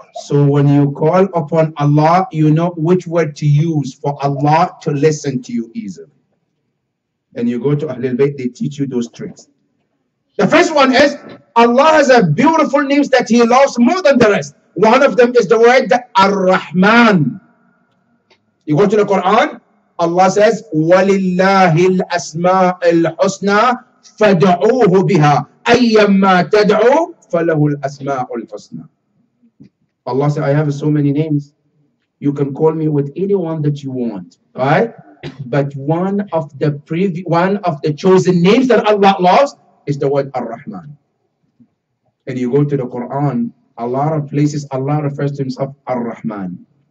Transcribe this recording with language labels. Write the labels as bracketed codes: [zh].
[en] So when you call upon Allah, you know which word to use for Allah to listen to you easily. And you go to Ahlul Bayt, they teach you those tricks. The first one is, Allah has a beautiful names that He loves more than the rest. One of them is the word Ar-Rahman. You go to the Quran, Allah says, [ar] وَلِلَّهِ الْأَسْمَاءِ الْحُسْنَى فَدْعُوهُ بِهَا أَيَّمَّا تَدْعُوا فَلَهُ الْأَسْمَاءُ الْحُسْنَى. [en] Allah said, I have so many names. You can call me with anyone that you want, right? But one of the chosen names that Allah loves is the word Ar-Rahman. And you go to the Quran, a lot of places Allah refers to Himself Ar-Rahman.